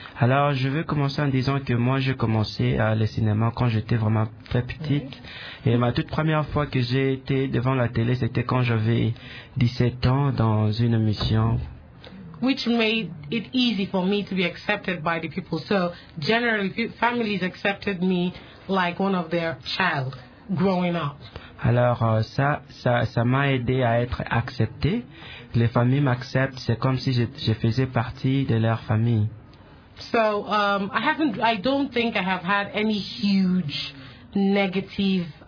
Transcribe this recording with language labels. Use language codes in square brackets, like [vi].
[fr] Alors, je veux commencer en disant que moi, j'ai commencé le cinéma quand j'étais vraiment très petite. Mm-hmm. Et ma toute première fois que j'ai été devant la télé, c'était quand j'avais 17 ans dans une émission. [en] Which made it easy for me to be accepted by the people. So, generally, families accepted me like one of their child growing up. [fr] Alors, ça m'a aidé à être accepté. Les familles m'acceptent, c'est comme si je faisais partie de leur famille. [en] So, I don't think I have had any huge negative